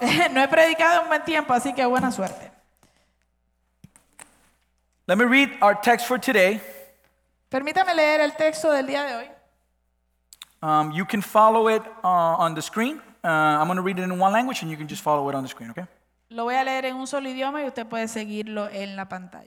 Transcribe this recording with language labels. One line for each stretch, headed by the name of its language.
Spanish: No he predicado en buen tiempo, así que buena suerte.
English: Let me read our text for today.
Spanish: Permítame leer el texto del día de hoy.
English: You can follow it on the screen. I'm going to read it in one language and you can just follow it on the screen, okay?
Spanish: Lo voy a leer en un solo idioma y usted puede seguirlo en la pantalla.